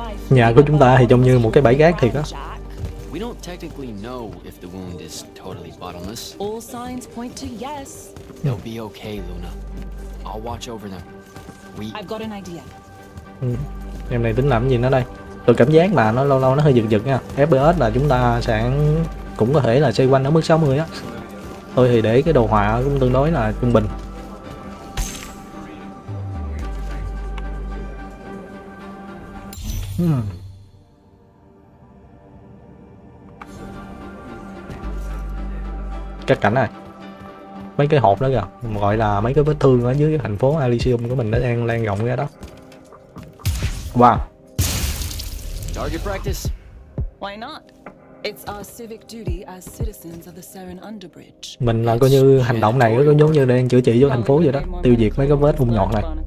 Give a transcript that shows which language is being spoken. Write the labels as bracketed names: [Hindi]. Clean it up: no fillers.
[Vietnamese] Nhà của chúng ta thì trông như một cái bãi rác thiệt á. [English] We don't technically know if the wound is totally bottomless. All signs point to yes. They'll be okay, Luna. I'll watch over them. I've got an idea. [Vietnamese] Em này tính làm gì nữa đây? Tôi cảm giác mà nó lâu lâu nó hơi giật giật nha. FPS là chúng ta sẽ cũng có thể là xoay quanh ở mức 60 á. Thôi thì để cái đồ họa cũng tương đối là trung bình. Cắt cảnh này, mấy cái hộp đó kìa, gọi là mấy cái vết thương ở dưới cái thành phố Elysium của mình nó đang lan rộng ra đó. [English] Wow. Target practice. Why not? It's our civic duty as citizens of the Seren Underbridge. [Vietnamese] Mình là coi như hành động này có giống như đang chữa trị cho thành phố vậy đó, tiêu diệt mấy cái vết vùng nhọn này.